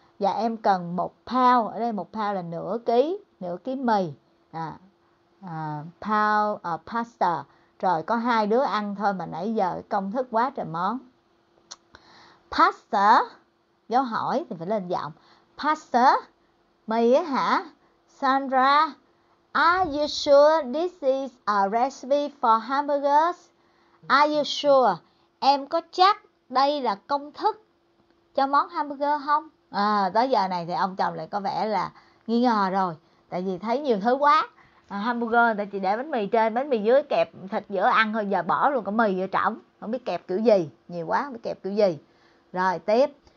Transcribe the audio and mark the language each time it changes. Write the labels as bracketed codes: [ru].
[vi] Và em cần 1 pound, ở đây 1 pound là nửa ký mì. [en] Pound of pasta. [vi] Rồi có 2 đứa ăn thôi mà nãy giờ công thức quá trời món. Pasta, dấu hỏi thì phải lên giọng. Pasta, mì á hả? [en] Sandra, are you sure this is a recipe for hamburgers? Are you sure? [vi] Em có chắc đây là công thức cho món hamburger không? Tới giờ này thì ông chồng lại có vẻ là nghi ngờ rồi. Tại vì thấy nhiều thứ quá. Hamburger người ta chỉ để bánh mì trên, bánh mì dưới, kẹp thịt giữa ăn thôi. Giờ bỏ luôn cả mì ở trong. Không biết kẹp kiểu gì. Nhiều quá, không biết kẹp kiểu gì. Rồi, tiếp.